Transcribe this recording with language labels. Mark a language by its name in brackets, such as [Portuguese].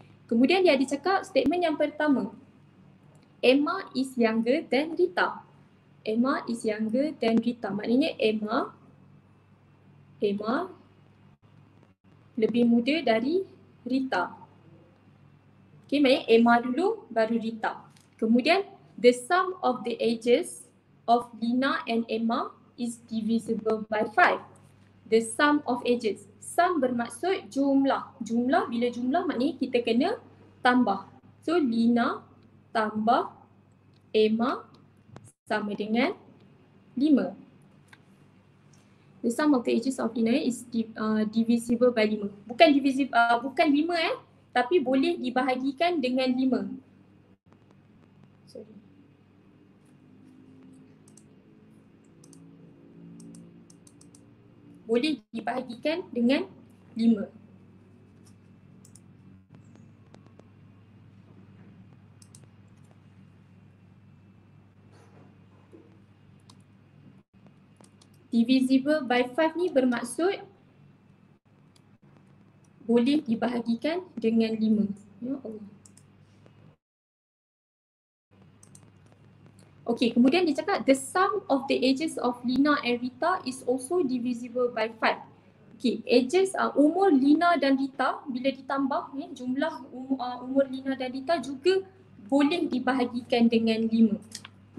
[Malay] Kemudian dia ada cakap statement yang pertama. [English] Emma is younger than Rita. Emma is younger than Rita. [Malay] Maknanya Emma lebih muda dari Rita. Okay, maknanya Emma dulu baru Rita. [English] Kemudian the sum of the ages of Lina and Emma is divisible by 5. The sum of ages. Sum [Malay] bermaksud jumlah. Jumlah, bila jumlah maknanya kita kena tambah. So Lina tambah Emma sama dengan 5. [English] The sum of the ages of Lina is divisible by 5. [Malay] Bukan divisible, bukan 5 eh. Tapi boleh dibahagikan dengan 5. Boleh dibahagikan dengan 5. Divisible by 5 ni bermaksud boleh dibahagikan dengan 5. Ya Allah. [English] Okay, [Malay] kemudian dia cakap [English] the sum of the ages of Lina and Rita is also divisible by 5. [Malay] Okay, ages, umur Lina dan Rita bila ditambah ni, jumlah umur Lina dan Rita juga boleh dibahagikan dengan 5.